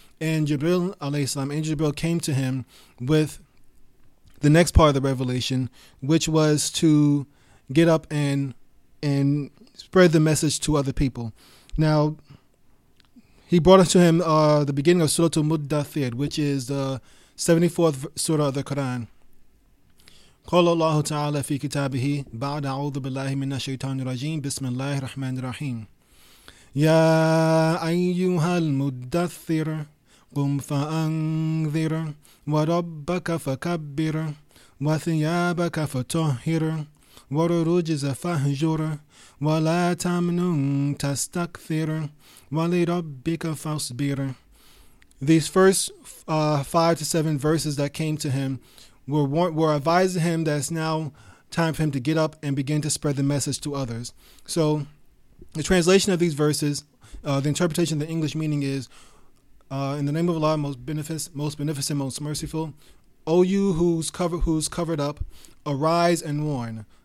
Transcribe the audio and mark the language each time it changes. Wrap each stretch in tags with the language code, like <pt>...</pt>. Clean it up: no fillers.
<en>And Jibril, alayhi salam, Angel Jibril came to him with the next part of the revelation, which was to get up and spread the message to other people. Now, he brought it to him the beginning of Surah Al-Muddathir, which is the 74th Surah of the Quran.</en> <ar>قال الله تعالى في كتابه بعد أعوذ بالله من الشيطان الرجيم بسم الله الرحمن الرحيم يا أيها المدثر قم فأنذر وربك فكبر وثيابك فطهر والرجز فاهجر ولا تمنن تستكثر ولربك فاصبر.</ar> <en>These first 5 to 7 verses that came to him were advising him that it's now time for him to get up and begin to spread the message to others. So the translation of these verses, the interpretation of the English meaning is, in the name of Allah, most beneficent, most merciful, O you who's covered up, arise and warn.</en>